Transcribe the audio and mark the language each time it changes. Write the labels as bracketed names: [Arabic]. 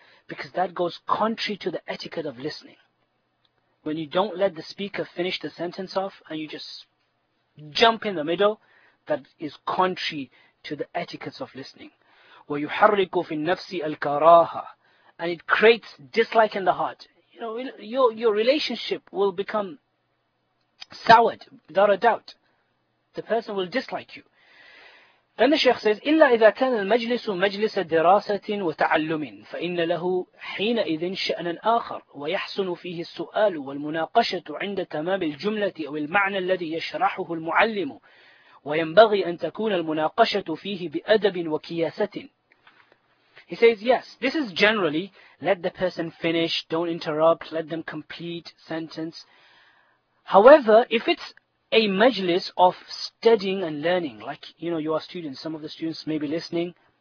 [English] Because that goes contrary to the etiquette of listening. When you don't let the speaker finish the sentence off and you just jump in the middle, that is contrary to the etiquettes of listening. [Arabic] وَيُحَرِّكُ فِي النَّفْسِ الْكَرَاهَ. [English] And it creates dislike in the heart. You know, your relationship will become soured, without a doubt. The person will dislike you. Then the Sheikh says, [Arabic] إِلَّا إِذَا كَانَ الْمَجْلِسُ مَجْلِسَ دِرَاسَةٍ وَتَعَلُّمٍ فَإِنَّ لَهُ حِينَئِذٍ شَأْنًا آخَرٌ وَيَحْسُنُ فِيهِ السُّؤَالُ وَالْمُنَاقَشَةُ عِنْدَ تَمَامِ الْجُمْلَةِ أَوِ الْمَعْنَى الَّذِي يَشْرَحُهُ الْمُعَلِّمُ وَيَنْبَغِي أَن تَكُونَ الْمُنَاقَشَةُ فِيهِ بِأَدَبٍ وَكِيَاسَةٍ. [English] He says, yes, this is generally, let the person finish, don't interrupt, let them complete sentence. However, if it's a majlis of studying and learning, like, you know, you are students, some of the students may be listening.